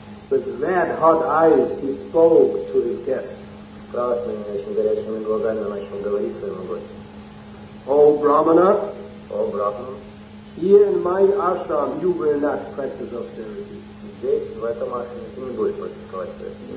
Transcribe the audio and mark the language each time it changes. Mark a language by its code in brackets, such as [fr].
[en] With red hot eyes, he spoke to his guest. [ru] Страшными, очень горячими глазами начал говорить своему гостю. [en] О Брахмана, here in my ashram, you will not practice austerity. [ru] Здесь, в этом ашраме, ты не будешь практиковать austerity.